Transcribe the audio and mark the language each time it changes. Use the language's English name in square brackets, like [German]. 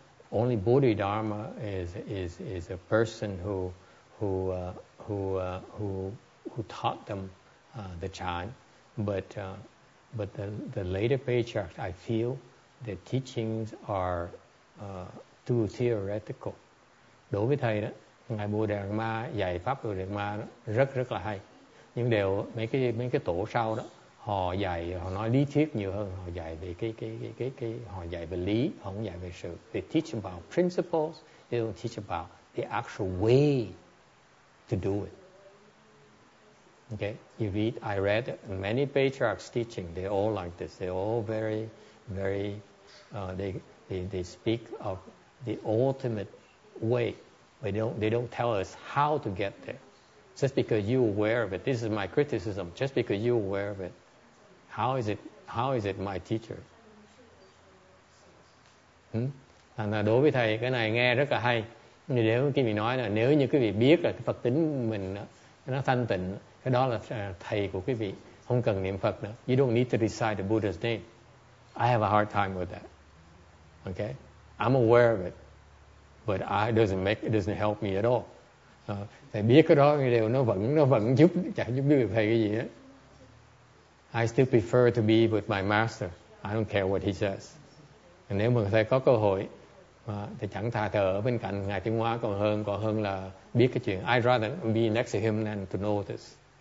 [English] Only Bodhidharma is a person who taught them the chan. But the later patriarchs, I feel their teachings are too theoretical. [Vietnamese] đối với thầy đó, ngài Bồ Đề Ma dạy pháp Bồ Đề Ma rất rất là hay. Nhưng đều mấy cái tổ sau đó họ dạy, họ nói lý thuyết nhiều hơn, họ dạy về cái họ dạy về lý, họ không dạy về sự. [English] They teach about principles, they don't teach about the actual way to do it. Okay, you read, I read many patriarchs' teaching. They all like this. They all very, very. They speak of the ultimate way, but they don't tell us how to get there. Just because you're aware of it, this is my criticism. Just because you're aware of it, how is it my teacher? [Vietnamese] Thành ra đối với thầy cái này nghe rất là hay. Nếu quý vị nói là nếu như quý vị biết là cái Phật tính mình nó thanh tịnh, cái đó là thầy của quý vị, không cần niệm Phật nữa. [English] You don't need to recite the Buddha's name. I have a hard time with that. Okay, I'm aware of it, but it doesn't help me at all. [Vietnamese] Thầy biết cái đó thì đều nó vẫn giúp, chẳng giúp được thầy cái gì hết. [English] I still prefer to be with my master. I don't care what he says. [Vietnamese] And nếu mà thầy có cơ hội, thì chẳng thà thờ ở bên cạnh ngài Tiếng Hóa còn hơn là biết cái chuyện. [English] I'd rather be next to him than to know this.